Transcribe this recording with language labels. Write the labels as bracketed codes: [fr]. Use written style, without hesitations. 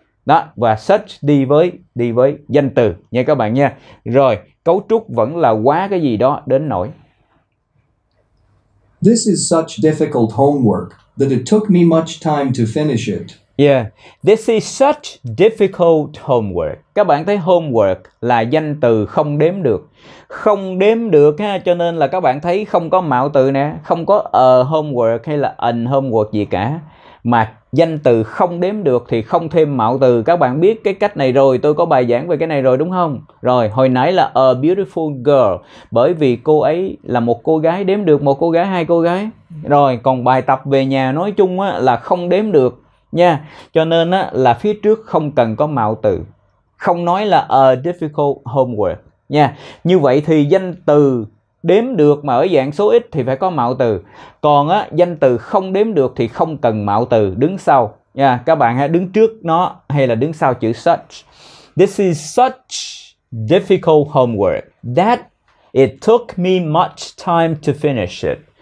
[vi] Đó, và such đi với danh từ nha các bạn nha. Rồi, cấu trúc vẫn là quá cái gì đó đến nỗi. [en] This is such difficult homework that it took me much time to finish it. Yeah, this is such difficult homework. [vi] Các bạn thấy homework là danh từ không đếm được. Không đếm được ha, cho nên là các bạn thấy không có mạo từ nè, không có a homework hay là an homework gì cả. Mà danh từ không đếm được thì không thêm mạo từ. Các bạn biết cái cách này rồi, tôi có bài giảng về cái này rồi đúng không? Rồi, hồi nãy là [en] a beautiful girl. [vi] Bởi vì cô ấy là một cô gái, đếm được một cô gái, hai cô gái. Rồi, còn bài tập về nhà nói chung á, là không đếm được nha. Cho nên á, là phía trước không cần có mạo từ. Không nói là [en] a difficult homework [vi] nha. Như vậy thì danh từ đếm được mà ở dạng số ít thì phải có mạo từ. Còn á, danh từ không đếm được thì không cần mạo từ đứng sau nha. Các bạn hãy đứng trước nó hay là đứng sau chữ such. [en] This is such difficult homework that it took me much time to finish it.